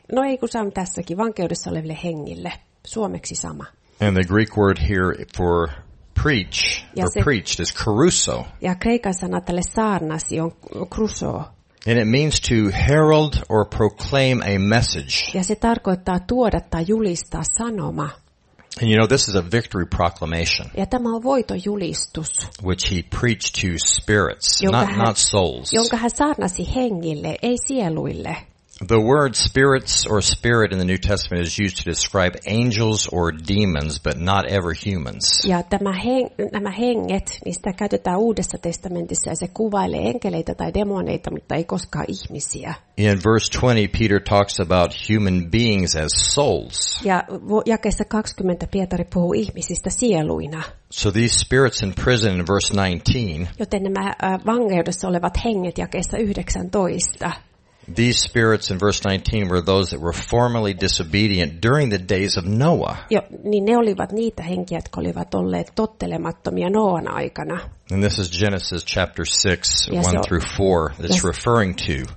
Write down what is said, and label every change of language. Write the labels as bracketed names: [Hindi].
[Finnish] No ei kun saa tässäkin, vankeudessa oleville hengille. Suomeksi sama. [English] And the Greek word here for preach or preached is caruso. [Finnish] Ja kreikan sana tälle saarnasi on kruso. [English] And it means to herald or proclaim a message. [Finnish] Ja se tarkoittaa tuoda tai julistaa sanoma. [English] And you know this is a victory proclamation. [Finnish] Ja tämä on voitojulistus. [English] Which he preached to spirits, not souls. [Finnish] Jonka hän saarnasi hengille, ei sieluille. [English] The word spirits or spirit in the New Testament is used to describe angels or demons, but not ever humans. [Finnish] Ja nämä henget, niistä käytetään Uudessa testamentissa ja se kuvailee enkeleitä tai demoneita, mutta ei koskaan ihmisiä. [English] In verse 20, Peter talks about human beings as souls. [Finnish] Ja jakeessa 20 Pietari puhuu ihmisistä sieluina. [English] So these spirits in prison in verse 19. [Finnish] Joten nämä vankeudessa olevat henget jakeessa 19. [English] These spirits in verse 19 were those that were formerly disobedient during the days of Noah. [Finnish] Joo, niin ne olivat niitä henkiä, jotka olivat olleet tottelemattomia Noan aikana. [English] And this is Genesis chapter 6, 1-4, that's referring to.